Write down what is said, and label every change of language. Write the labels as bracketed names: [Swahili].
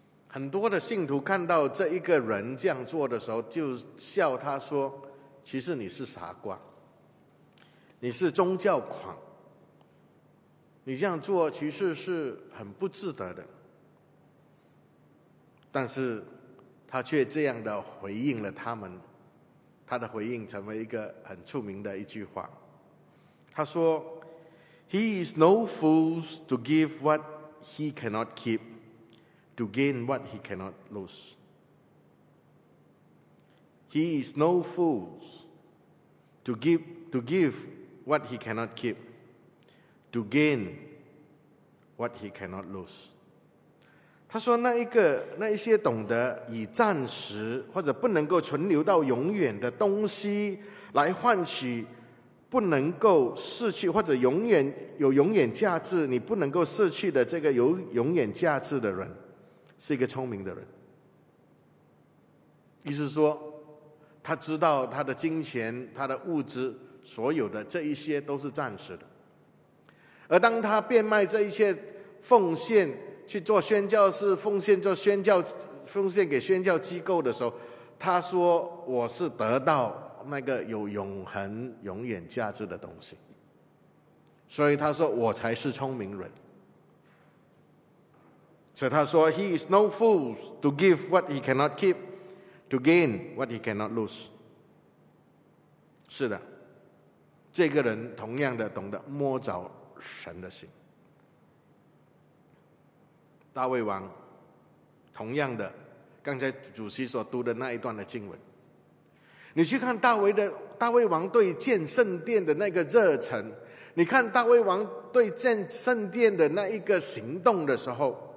[Chinese] 很多的信徒看到这一个人这样做的时候，就笑他说，其实你是傻瓜，你是宗教狂，你这样做其实是很不值得的。但是他却这样的回应了他们，他的回应成为一个很出名的一句话，他说 [English] He is no fool to give what he cannot keep, to gain what he cannot lose. He is no fool to give what he cannot keep, to gain what he cannot lose. [Chinese] 他说那一些懂得以暂时或者不能够存留到永远的东西来换取不能够失去或者永远有永远价值，你不能够失去的这个有永远价值的人是一个聪明的人。意思说他知道他的金钱，他的物质，所有的这一些都是暂时的，而当他变卖这一切奉献去做宣教士，奉献给宣教机构的时候，他说我是得到那个有永恒永远价值的东西，所以他说我才是聪明人。所以他说 [English] He is no fool to give what he cannot keep, to gain what he cannot lose. [Chinese] 是的，这个人同样的懂得摸着神的心。大卫王同样的，刚才主席所读的那一段的经文，你去看大卫王对建圣殿的那个热忱，你看大卫王对建圣殿的那一个行动的时候，